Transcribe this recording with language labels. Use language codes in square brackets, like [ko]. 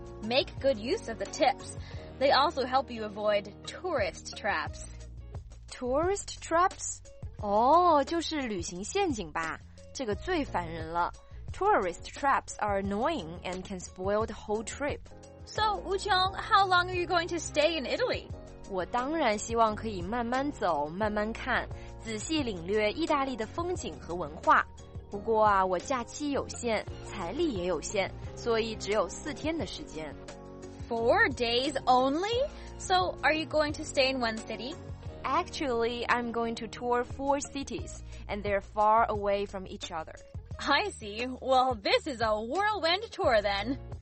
[en] Make good use of the tips. They also help you avoid tourist traps. Tourist traps? Oh, [zh] 就是旅行陷阱吧。这个最烦人了。 [en] Tourist traps are annoying and can spoil the whole trip. So, Wu Qiong, how long are you going to stay in Italy? [zh] 我当然希望可以慢慢走，慢慢看，仔细领略意大利的风景和文化。不过啊，我假期有限，财力也有限，所以只有四天的时间。 [en] Four days only? So, are you going to stay in one city? Actually, I'm going to tour four cities, and they're far away from each other. I see. Well, this is a whirlwind tour then.